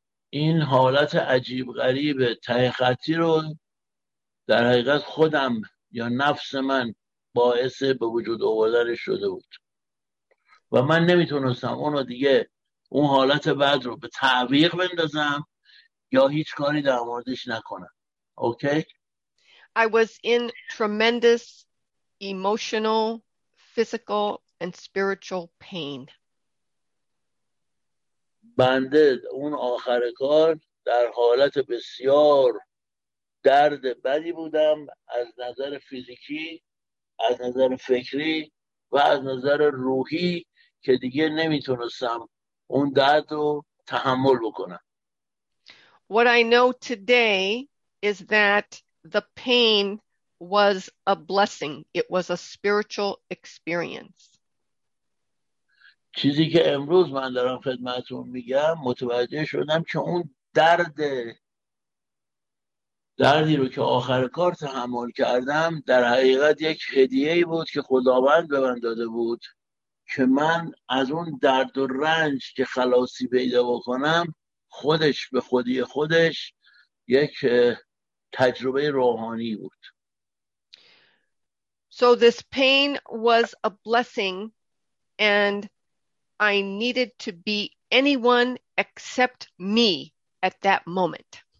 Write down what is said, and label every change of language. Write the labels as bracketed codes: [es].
[fa] این حالت عجیب غریب ته خطی رو در حقیقت خودم یا نفس من باعث به وجود آوردنش شده بود و من نمیتونستم اونو دیگه اون حالت بد رو به تعویق بندازم یا هیچ کاری در موردش نکنم. اوکی؟ [en] I was in tremendous emotional, physical and spiritual pain. [fa] بنده اون آخر کار در حالت بسیار درد بدی بودم از نظر فیزیکی، از نظر فکری و از نظر روحی که دیگه نمیتونستم اون درد رو تحمل بکنم. [en] What I know today is that the pain was a blessing. It was a spiritual experience. [fa] چیزی که امروز من دارم خدمتتون میگم، متوجه شدم که اون دردی رو که آخر کار تحمل کردم در حقیقت یک هدیه‌ای بود که خداوند به من داده بود که من از اون درد و رنج که خلاصی پیدا بکنم خودش به خودی خودش یک تجربه روحانی بود. [en] So this pain was a blessing and I needed to be anyone except me at that moment.